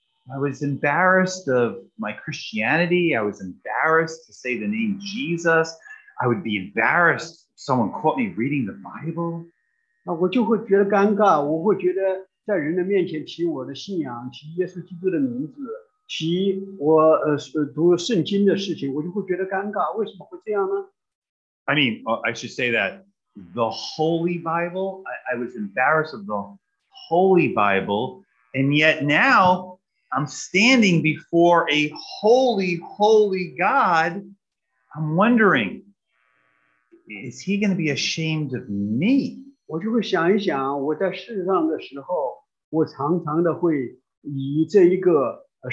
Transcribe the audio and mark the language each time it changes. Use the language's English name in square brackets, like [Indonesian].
[English] I was embarrassed of my Christianity. I was embarrassed to say the name Jesus. I would be embarrassed if someone caught me reading the Bible. [Chinese] 我就会觉得尴尬，我会觉得在人的面前提我的信仰，提耶稣基督的名字。提我读圣经的事情，我就会觉得尴尬。为什么会这样呢？ [English] I mean, I should say that the Holy Bible. I was embarrassed of the Holy Bible, and yet now I'm standing before a holy, holy God. I'm wondering, is He going to be ashamed of me? [Chinese] 我就会想一想，我在世上的时候，我常常的会以这一个。